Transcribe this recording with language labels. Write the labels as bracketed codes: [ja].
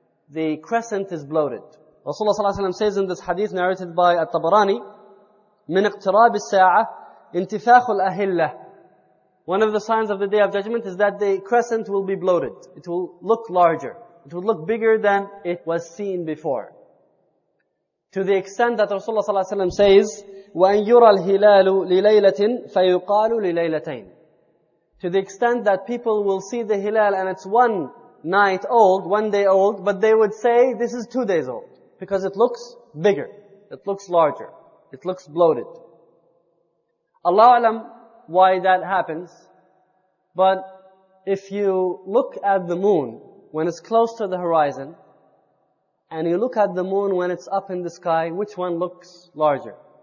[en] The crescent is bloated. Rasulullah ﷺ says in this hadith narrated by At-Tabarani, [ar] "Min iqtirab as-sa'ah, intifakhul ahillah." [en] One of the signs of the Day of Judgment is that the crescent will be bloated. It will look larger. It will look bigger than it was seen before. To the extent that Rasulullah [ar] صلى الله عليه وسلم says, وَأَنْ يُرَى الْهِلَالُ لِلَيْلَةٍ فَيُقَالُ لِلَيْلَتَيْنِ. [en] To the extent that people will see the hilal and it's one night old, one day old, but they would say this is 2 days old. Because it looks bigger. It looks larger. It looks bloated. Allah أعلم why that happens. But if you look at the moon when it's close to the horizon and you look at the moon when it's up in the sky, which one looks larger?